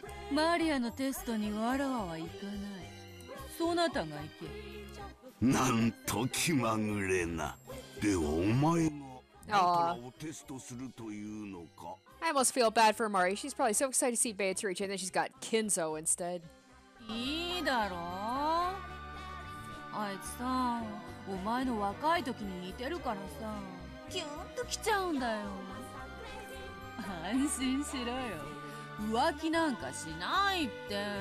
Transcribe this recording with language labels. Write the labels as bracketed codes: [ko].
[ja] マリアのテストにわらわは行かない。そなたが行け。なんと気まぐれな。ではお前がバトラをテストするというのか。 [en] I almost feel bad for Mari. She's probably so excited to see Beatrice and then she's got Kinzo instead. [ja] いいだろう。あいつさん、お前の若い時に似てるからさ、キュンと来ちゃうんだよ。安心しろよ、浮気なんかしないって。